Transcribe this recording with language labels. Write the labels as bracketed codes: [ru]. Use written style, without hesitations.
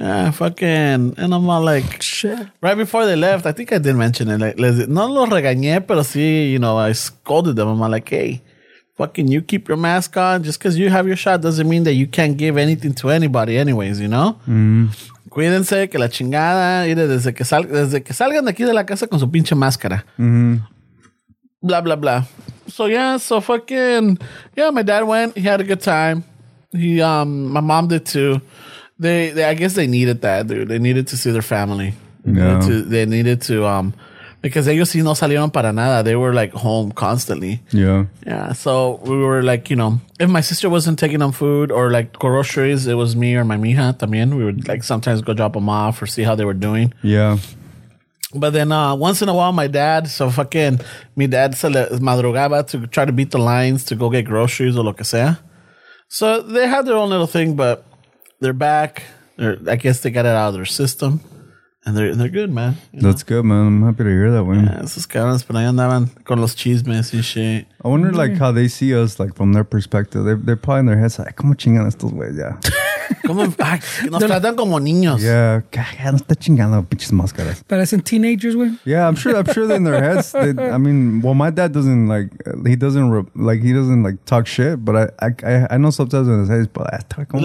[en] Yeah, fucking. And I'm all like, shit. Right before they left, I think I did mention it. Like, [es] no lo regañé, pero sí, [en] I scolded them. I'm all like, hey. Fucking you keep your mask on. Just because you have your shot doesn't mean that you can't give anything to anybody anyways, [es] Cuídense que la chingada. Desde que salgan de aquí de la casa con su pinche máscara. Mm-hmm. [en] Blah, blah, blah. So, yeah. So, my dad went. He had a good time. He, my mom did too. They I guess they needed that, dude. They needed to see their family. Yeah. They needed to. Because [es] ellos sí no salieron para nada. [en] They were like home constantly. Yeah. Yeah. So we were like, if my sister wasn't taking them food or like groceries, it was me or my [es] mija también. [en] We would like sometimes go drop them off or see how they were doing. Yeah. But then once in a while, my dad, [es] mi dad se le madrugaba [en] to try to beat the lines to go get groceries or [es] lo que sea. [en] So they had their own little thing, but they're back. I guess they got it out of their system. And they're good, man. That's good, man. I'm happy to hear that, man. [es] Yeah, esos cabrones, pero ahí andaban con los chismes y shit. [en] I wonder, how they see us, from their perspective. They're probably in their heads, like, [es] ¿cómo chingan estos güeyes ya? ¿Cómo? Ay, nos [en] They're [es] tratan like, como niños. Yeah. No está chingando pinches máscaras. [en] But as in teenagers, [es] güey. [en] Yeah, I'm sure that in their heads, they, I mean, well, my dad doesn't like, he doesn't talk shit, but I know sometimes in his head, but I talk [es] como.